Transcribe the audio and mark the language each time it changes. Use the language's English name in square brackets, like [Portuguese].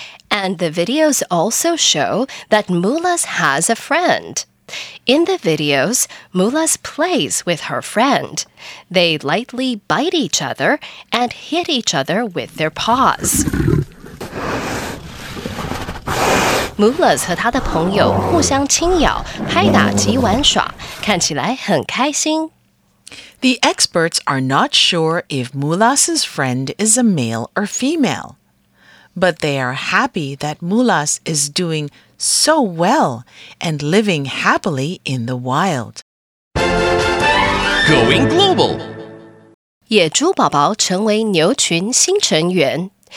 [English] And the videos also show that Mulas has a friend. In the videos, Mulas plays with her friend. They lightly bite each other and hit each other with their paws. [Chinese] Mulas 和他的朋友互相轻咬、拍打及玩耍，看起来很开心。 [English] The experts are not sure if Mulas's friend is a male or female. But they are happy that Mulas is doing so well and living happily in the wild. Going global! [Chinese] 野猪宝宝成为牛群新成员。